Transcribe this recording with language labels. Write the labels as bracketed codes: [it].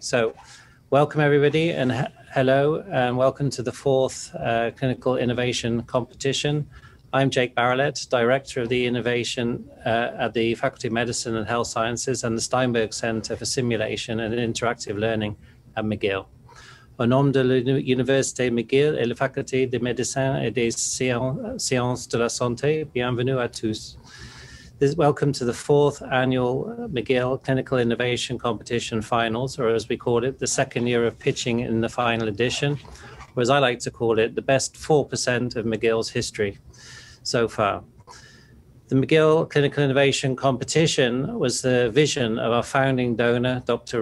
[en] So welcome, everybody, and hello, and welcome to the fourth Clinical Innovation Competition. I'm Jake Barillet, Director of the Innovation at the Faculty of Medicine and Health Sciences and the Steinberg Center for Simulation and Interactive Learning at McGill. [fr] Au nom de l'Université McGill et la Faculté de Médecine et des Sciences de la Santé, bienvenue à tous. [en] Welcome to the fourth annual McGill Clinical Innovation Competition Finals, or as we call it, the second year of pitching in the final edition, or as I like to call it, the best 4% of McGill's history. So far, the McGill Clinical Innovation Competition was the vision of our founding donor, Dr.